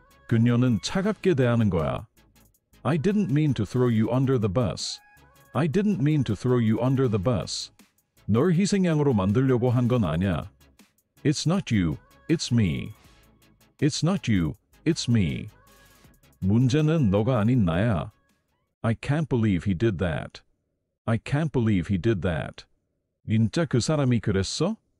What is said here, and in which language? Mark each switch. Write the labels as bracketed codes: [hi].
[ko] 그녀는 차갑게 대하는 거야. [en] I didn't mean to throw you under the bus. I didn't mean to throw you under the bus. [ko] 널 희생양으로 만들려고 한 건 아니야. [en] It's not you, it's me. It's not you, it's me. [ko] 문제는 너가 아닌 나야. [en] I can't believe he did that. I can't believe he did that. [ko] 진짜 그 사람이 그랬어?